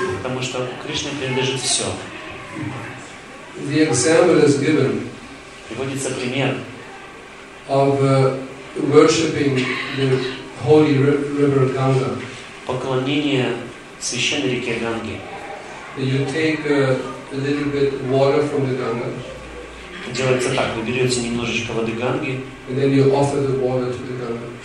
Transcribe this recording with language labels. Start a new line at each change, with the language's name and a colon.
Russian: Потому что Кришне принадлежит все.
English: The example is given.
Russian: Приводится пример.
English: Of worshipping the holy river Ganga.
Russian: Поклонение священной реке Ганги.
English: You take a little bit water from the Ganga.
Russian: Делается так: вы берете немножечко воды Ганги.
English: And then you offer the water to the Ganga.